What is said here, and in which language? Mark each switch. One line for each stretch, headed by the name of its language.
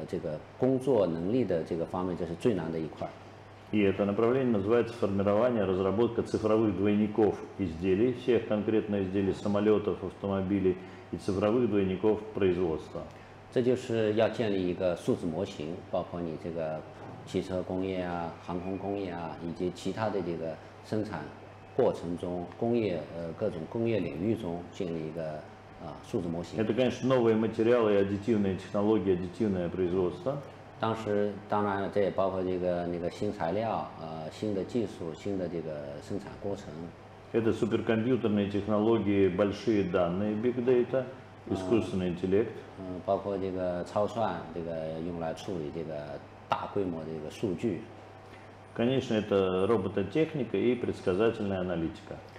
Chinese: 这就是建立一个人工智能的工作方式，这是最难的，作为一个模仿人力这个工作能力的这个方面，这是最难的一块。
Russian: И это направление называется формирование, разработка цифровых двойников изделий, всех конкретно изделий самолетов, автомобилей и цифровых двойников производства.
Chinese: 这就是要建立一个数字模型，包括你这个汽车工业啊、航空工业啊，以及其他的这个生产过程中工业各种工业领域中建立一个数字模型。
Russian: Это, конечно, новые материалы, аддитивные технологии, аддитивное производство.
Chinese: 当然，这也包括这个新材料、新的技术、新的这个生产过程。
Russian: Это суперкомпьютерные технологии, большие данные, big data. Искусственный интеллект.
Chinese: 包括这个超算，这个用来处理这个大规模的这个数据。
Russian: Конечно, это робототехника и предсказательная аналитика.